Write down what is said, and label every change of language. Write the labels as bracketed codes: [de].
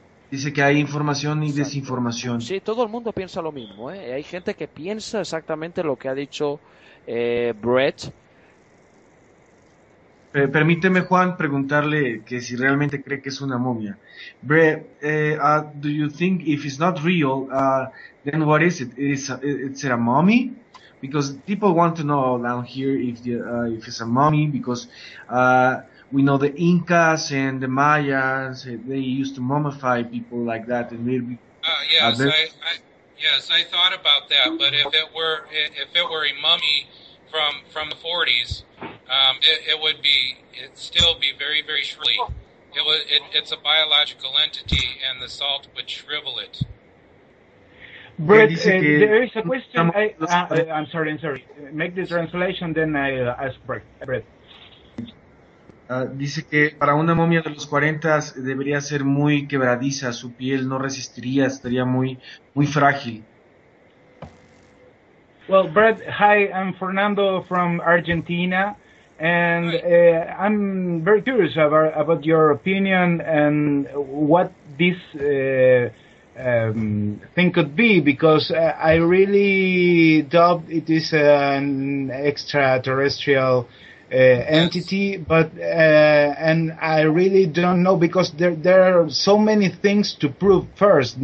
[es] Dice que hay información y desinformación. Sí, todo el mundo piensa lo mismo, ¿eh? Hay gente que piensa exactamente lo que ha dicho Brett. Permíteme, Juan, preguntarle que si realmente cree que es una momia. [en] Brett, do you think if it's not real, then what is it? Is it a mummy? Because people want to know down here if it's a mummy, because we know the Incas and the Mayas, they used to mummify people like that. And maybe, yes, I thought about that. But if it were a mummy from the 40s, it would still be very, very shrivelly. It's a biological entity, and the salt would shrivel it. Brett, there is a question. I'm sorry. Make the translation, then I'll ask Brett. [es] Dice que para una momia de los 40 debería ser muy quebradiza, su piel no resistiría, estaría muy, muy frágil. [en] Well, Brett, hi, I'm Fernando from Argentina, and I'm very curious about your opinion and what this thing could be, because I really doubt it is an extraterrestrial entity, but and I really don't know, because there are so many things to prove first.